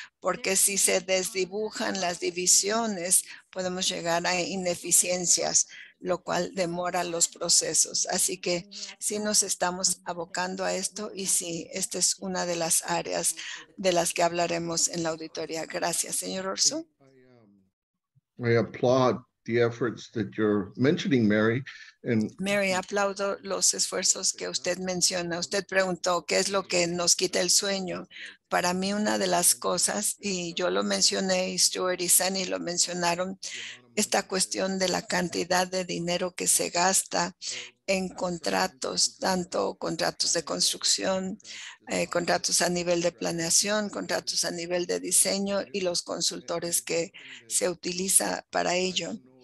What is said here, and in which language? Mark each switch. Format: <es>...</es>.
<es>Porque si se desdibujan las divisiones, podemos llegar a ineficiencias, lo cual demora los procesos. Así que sí nos estamos abocando a esto y sí, esta es una de las áreas de las que hablaremos en la auditoría. Gracias, señor Orso.</es> <en>I applaud the efforts that you're mentioning, Mary. And</en> <es>Mary, aplaudo los esfuerzos que usted menciona. Usted preguntó qué es lo que nos quita el sueño. Para mí, una de las cosas, y yo lo mencioné, y Stuart y Sunny lo mencionaron, esta cuestión de la cantidad de dinero que se gasta en contratos, tanto contratos de construcción, contratos a nivel de planeación, contratos a nivel de diseño y los consultores que se utiliza para ello.</es>